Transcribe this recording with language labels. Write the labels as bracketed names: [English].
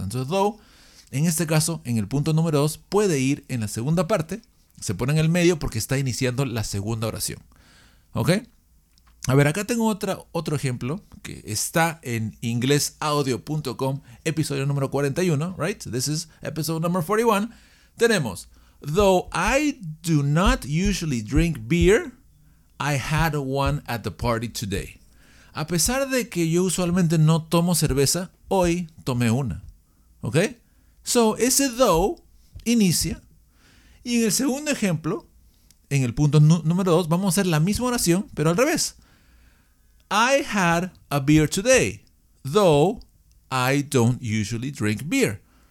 [Spanish] Entonces though, en este caso, en el punto número 2, puede ir en la segunda parte. Se pone en el medio porque está iniciando la segunda oración. ¿Ok? A ver, acá tengo otro ejemplo que está en inglesaudio.com, episodio número 41, right? [English] This is episode number 41. [Spanish] Tenemos, [English] though I do not usually drink beer, I had one at the party today. [Spanish] A pesar de que yo usualmente no tomo cerveza, hoy tomé una. ¿Ok? So, ese though inicia. Y en el segundo ejemplo, en el punto número 2, vamos a hacer la misma oración, pero al revés. [English] I had a beer today, though I don't usually drink beer.